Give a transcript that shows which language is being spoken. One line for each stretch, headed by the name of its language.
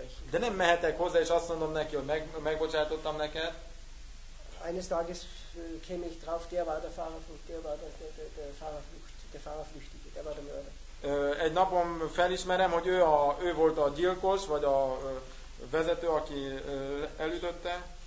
Hungarian: De nem mehetek hozzá, és azt mondom neki, hogy megbocsátottam neked.
German: Eines Tages käme ich drauf, der war der Fahrerflucht, der war der Fahrerflucht, der Fahrerflüchtige, der war der Mörder.
Hungarian: Egy napon felismerem, hogy ő volt a gyilkos, vagy a vezető, aki elütötte.